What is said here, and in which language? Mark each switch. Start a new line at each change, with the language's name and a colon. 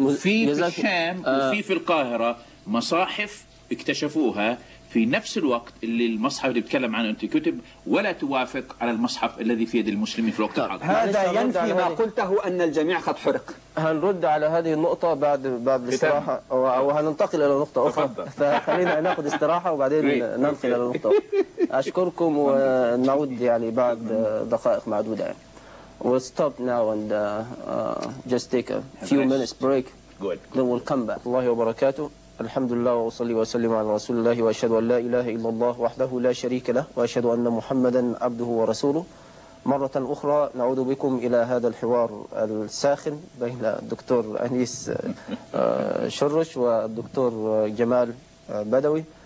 Arabic: في الشام وفي في القاهرة مصاحف اكتشفوها في نفس الوقت اللي المصحف اللي بتكلم عنه أنت كتب، ولا توافق على المصحف الذي في يد المسلمين في الوقت الحاضر. هذا ينفي ما قلته أن الجميع قد حرق. هنرد على هذه النقطة بعد استراحة، وهننتقل إلى نقطة أخرى، فخلينا نأخذ استراحة وبعدين ننتقل إلى نقطة. أشكركم ونعود يعني بعد دقائق معدودة.
English: We'll stop now and just take a few minutes break. Good. Then we'll come back.
Arabic: الله وبركاته. الحمد لله وصلي وسلم على رسول الله، وأشهد أن لا إله إلا الله وحده لا شريك له، وأشهد أن محمدا عبده ورسوله. مرة أخرى نعود بكم إلى هذا الحوار الساخن بين الدكتور أنيس شرش والدكتور جمال بدوي.